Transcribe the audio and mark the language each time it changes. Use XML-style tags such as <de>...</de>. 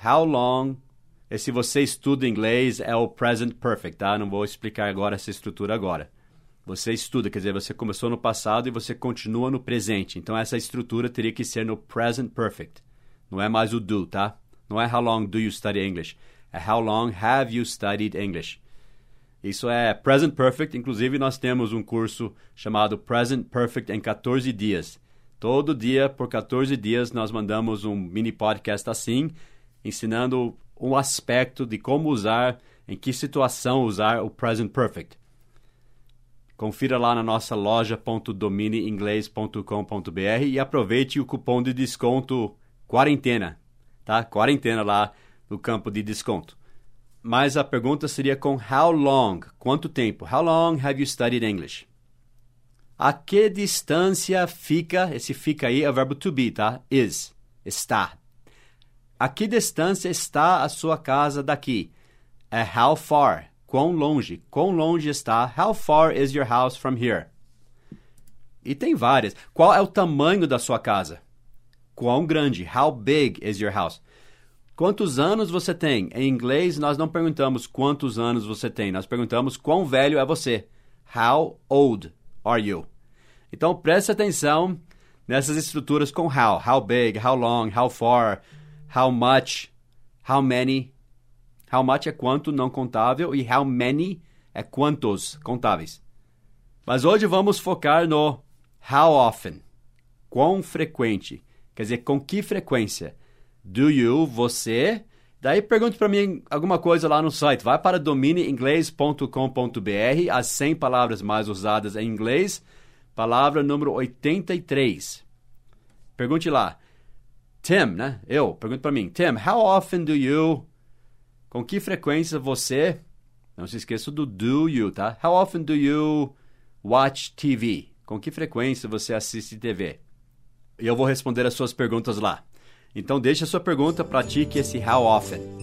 <en>How long,</en> <pt>esse você estuda inglês é o present perfect, tá? Não vou explicar agora essa estrutura agora. Você estuda, quer dizer, você começou no passado e você continua no presente. Então, essa estrutura teria que ser no present perfect. Não é mais o do, tá? Não é</pt> <en>how long do you study English. É how long have you studied English.</en> <pt>Isso é present perfect, inclusive nós temos um curso chamado Present Perfect em 14 dias. Todo dia, por 14 dias, nós mandamos um mini podcast assim, ensinando um aspecto de como usar, em que situação usar o present perfect. Confira lá na nossa loja .domineinglês.com.br e aproveite o cupom de desconto quarentena, tá? Quarentena lá no campo de desconto. Mas a pergunta seria com how long, quanto tempo?</pt> <en>How long have you studied English?</en> <pt>A que distância fica? Esse fica aí é o verbo to be, tá? Is, está. A que distância está a sua casa daqui? É how far? Quão longe? Quão longe está?</pt> <en>How far is your house from here?</en> <pt>E tem várias. Qual é o tamanho da sua casa? Quão grande?</pt> <en>How big is your house?</en> <pt>Quantos anos você tem? Em inglês, nós não perguntamos quantos anos você tem. Nós perguntamos quão velho é você.</pt> <en>How old are you?</en> <pt>Então, preste atenção nessas estruturas com how.</pt> <en>How big, how long, how far, how much, how many.</en> <pt>How much é quanto, não contável. E how many é quantos, contáveis. Mas hoje vamos focar no how often. Quão frequente. Quer dizer, com que frequência?</pt> <en>Do you,</en> <pt>você? Daí pergunte para mim alguma coisa lá no site. Vai para domineinglês.com.br, as 100 palavras mais usadas em inglês, palavra número 83. Pergunte lá. Tim, né? Eu. Pergunte para mim. Tim,</pt> <en>how often do you...</en> <pt>Com que frequência você... Não se esqueça do do you, tá?</pt> <en>How often do you watch TV?</en> <pt>Com que frequência você assiste TV? E eu vou responder as suas perguntas lá. Então, deixe a sua pergunta, pratique esse how often.</pt>